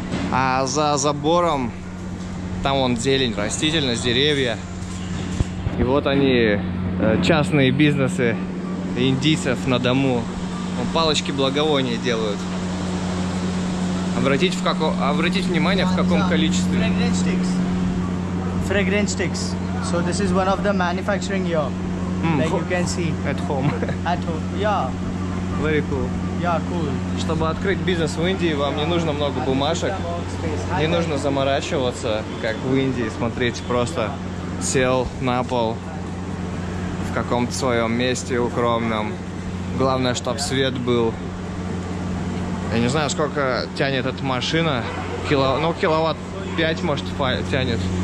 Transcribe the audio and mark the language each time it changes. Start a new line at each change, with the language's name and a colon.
Russian: А за забором, там вон зелень, растительность, деревья. И вот они, частные бизнесы индийцев на дому. Вон палочки благовония делают. Обратить внимание, в каком количестве.
English: Fragrance sticks. Fragrance sticks. So this is one of the manufacturing here, like you can see. At home. At home, yeah. Very cool. Yeah, cool.
Russian: Чтобы открыть бизнес в Индии, вам не нужно много бумажек, не нужно заморачиваться, как в Индии, смотреть просто сел на пол в каком-то своем месте укромном. Главное, чтобы свет был. Я не знаю, сколько тянет эта машина, киловатт 5, может, тянет.